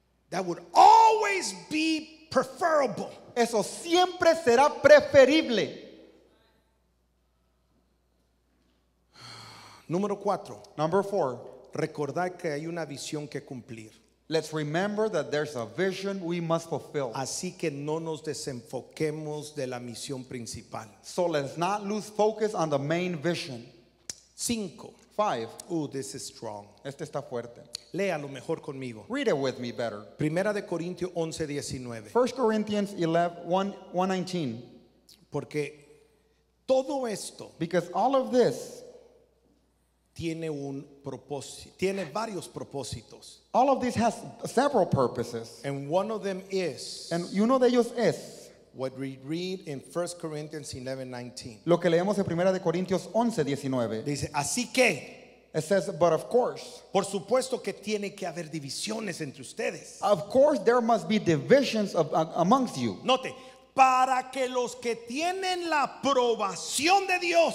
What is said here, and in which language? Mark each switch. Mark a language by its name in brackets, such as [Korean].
[English] That would always be preferable. [Spanish] Eso siempre será preferible. Número cuatro. [English] Number four. [Spanish] Recordar que hay una visión que cumplir. [English] Let's remember that there's a vision we must fulfill. [Spanish] Así que no nos desenfoquemos de la misión principal. [English] So let's not lose focus on the main vision. [Spanish] Cinco. [English] Five. Ooh, this is strong. [Spanish] Este está fuerte. Léalo mejor conmigo. [English] Read it with me better. [Spanish] Primera de Corintios 11:19. [English] 1 Corinthians 11:19. [Spanish] Porque todo esto. [English] Because all of this. [Spanish] Tiene un propósito. Tiene varios propósitos. [English] All of this has several purposes. And one of them is. And [Spanish] uno de ellos es. [English] What we read in 1 Corinthians 11:19. [Spanish] Lo que leemos en Primera de Corintios 11:19. Dice, así que. [English] It says, but of course. [Spanish] Por supuesto que tiene que haber divisiones entre ustedes. [English] Of course there must be divisions amongst you. Note. [Spanish] Para que los que tienen la aprobación de Dios.